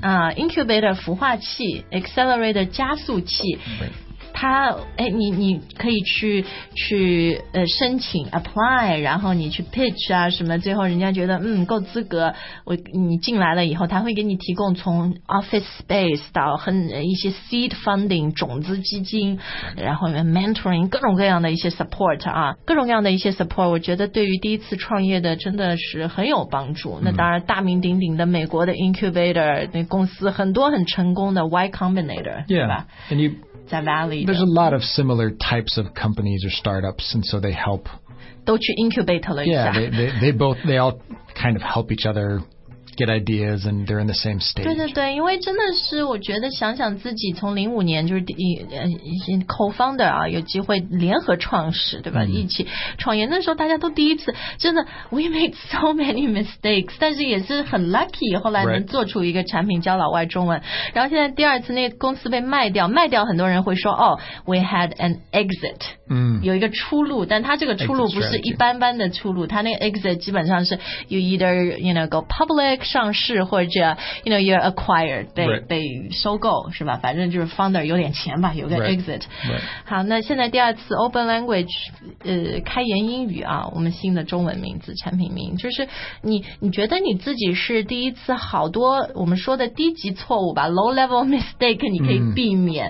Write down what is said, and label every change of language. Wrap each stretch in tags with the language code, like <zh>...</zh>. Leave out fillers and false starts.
<zh>啊、incubator 孵化器 accelerator 加速器它你可以去申请 apply 然后你去 pitch 啊什么最后人家觉得够资格你进来了以后他会给你提供从 office space 到一些 seed funding 种子基金然后 mentoring 各种各样的一些 support 啊各种各样的一些 support 我觉得对于第一次创业的真的是很有帮助、嗯、那当然大名鼎鼎的美国的 incubator 那公司很多很成功的 Y Combinator</zh> <en>yeah,</en> <zh>对吧在 Valley 的</zh> <en>There's a lot of similar types of companies or startups, and so they help</en> <zh>都去 incubate 了一下。</zh> <en>Yeah, they all kind of help each other get ideas and they're in the same stage.</en> <zh>对对对，因为真的是我觉得想想自己从05年就是 co-founder 啊，有机会联合创始，对吧？ Mm-hmm. 一起创业，那时候大家都第一次，真的</zh> <en>we made so many mistakes，</en> <zh>但是也是很 lucky， 后来能做出一个产品教老外中文。</zh> <en>Right.</en> <zh>然后现在第二次那公司被卖掉，卖掉很多人会说哦 ，</zh> <en>we had an exit，嗯、mm-hmm. ，</en> <zh>有一个出路，但他这个出路不是一般般的出路，他那个 exit 基本上是</zh> <en>you either you know go public。</en> <zh>上市或者</zh> <en>you know you're acquired</en> <zh>被、</zh> <en>right.</en> <zh>被收购是吧？反正就是 founder 有点钱吧，有个 exit。</zh> <en>Right. Right.</en> <zh>好，那现在第二次 open language， 开言英语啊，我们新的中文名字产品名，就是你觉得你自己是第一次好多我们说的低级错误吧 ，</zh> <en>low level mistake</en> <zh>你可以避免。</zh>